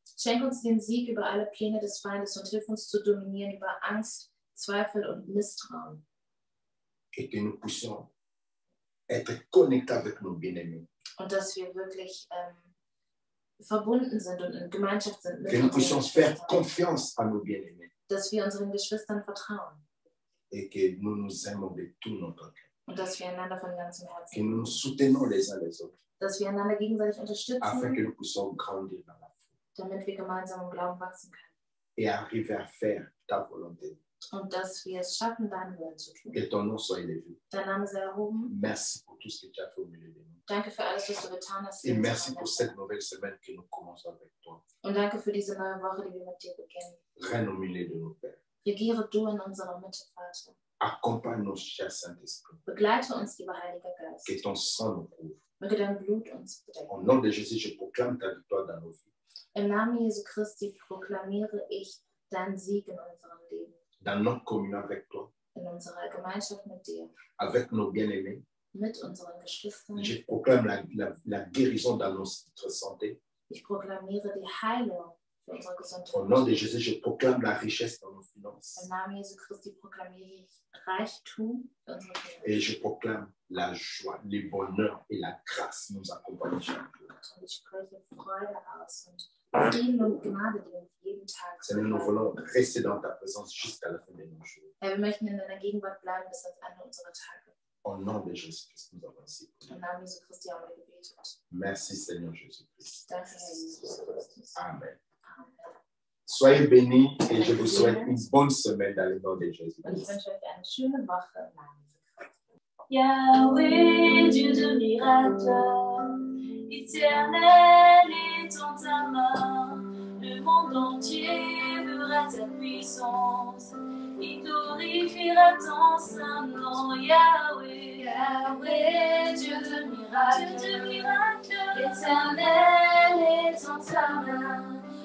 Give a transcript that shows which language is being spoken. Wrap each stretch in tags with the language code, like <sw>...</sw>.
<de>Schenk uns den Sieg über alle Pläne des Feindes und hilf uns zu dominieren über Angst, Zweifel und Misstrauen.</de> <fr>Et que nous puissions être connectés avec nos bien-aimés.</fr> <de>Und dass wir wirklich verbunden sind und in Gemeinschaft sind.</de> <fr>Que nous puissions faire confiance à nos bien-aimés.</fr> <de>Dass wir unseren Geschwistern vertrauen.</de> <fr>Et que nous nous aimons de tout notre cœur.</fr> <de>Und dass wir einander von ganzem Herzen lieben.</de> <fr>Que nous nous soutenons les uns les autres.</fr> <de>Dass wir einander gegenseitig unterstützen.</de> <fr>Afin que nous puissions grandir dans la foi.</fr> <de>Damit wir gemeinsam im Glauben wachsen können.</de> <fr>Et arriver à faire ta volonté.</fr> <de>Und dass wir es schaffen, deinen Willen zu tun.</de> <fr>Que ton nom soit élevé.</fr> <de>Dein Name sei erhoben.</de> <fr>Merci pour tout ce que tu as fait au milieu de nous.</fr> <de>Danke für alles, was du getan hast.</de> <fr>Et merci pour cette nouvelle semaine que nous commençons avec toi.</fr> <de>Und danke für diese neue Woche, die wir mit dir beginnen.</de> <fr>Règne au milieu de nous, Père.</fr> <de>Regiere du in unserer Mitte, Vater.</de> <fr>Accompagne nos chers Saint-Esprit.</fr> <de>Begleite uns, lieber Heiliger Geist.</de> <fr>Que ton sang nous couvre.</fr> <de>Möge dein Blut uns bedecken.</de> <fr>Au nom de Jésus, je proclame ta victoire dans nos vies.</fr> <de>Im Namen Jesu Christi proklamiere ich deinen Sieg in unserem Leben.</de> <fr>Dans notre communion avec toi.</fr> <de>In unserer Gemeinschaft mit dir.</de> <fr>Avec nos bien-aimés.</fr> <de>Mit unseren Geschwistern.</de> <fr>Je proclame la guérison dans notre santé.</fr> <de>Ich proklamiere die Heilung für unsere Gesundheit.</de> <fr>Au nom de Jésus, je proclame la richesse dans nos finances.</fr> <de>Im Namen Jesu Christi proklamiere ich Reichtum für unsere Finanzen.</de> <fr>Et je proclame la joie, le bonheur et la grâce nous accompagnent chaque jour.</fr> <de>Und ich spreche Freude aus und Frieden und Gnade, die uns jeden Tag</de> <fr>Seigneur, nous voulons rester dans ta présence jusqu'à la fin de nos jours.</fr> <de>Herr, wir möchten in deiner Gegenwart bleiben bis ans Ende unserer Tage.</de> <fr>Au nom de Jésus Christ, nous avons ainsi. Au nom de Jésus Christ, nous avons</fr> <de>gebetet.</de> <fr>Merci Seigneur Jésus Christ.</fr> <de>Danke, Herr Jesus Christus. Amen.</de> <fr>Soyez bénis et je vous souhaite une bonne semaine dans le nom de Jésus Christ.</fr> <de>Ich wünsche euch eine schöne Woche im Namen Jesu Christi.</de> <fr>Yahweh, Dieu de miracles, éternel est en ta main. Le monde entier verra ta puissance. Il glorifiera ton Saint-Nom, Yahweh, Dieu de miracles, éternel est en ta main.</fr>